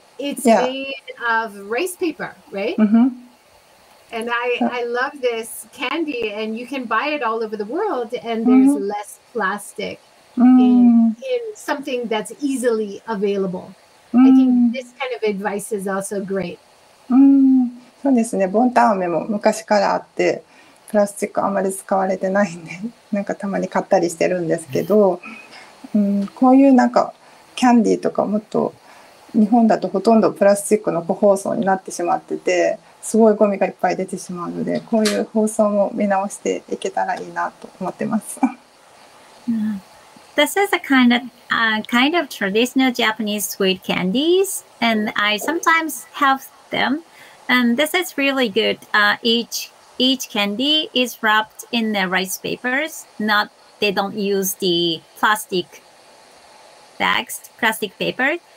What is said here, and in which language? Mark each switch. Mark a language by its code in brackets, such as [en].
[en] It's made of rice paper, right? And I love this candy, and you can buy it all over the world, and there's less plastic in something that's easily available. I think this kind of advice is also great. [ja] そうですね。ボンタアメも昔からあって、プラスチックあまり使われてないんで、なんかたまに買ったりしてるんですけど、こういうなんかキャンディーとかもっと日本だとほとんどプラスチックの個包装になってしまってて、すごいゴミがいっぱい出てしまうので、こういう包装も見直していけたらいいなと思ってます。 [en] This is a kind of traditional Japanese sweet candies, and I sometimes have them. And this is really good. Each candy is wrapped in the rice papers. Not they don't use the plastic bags, plastic paper.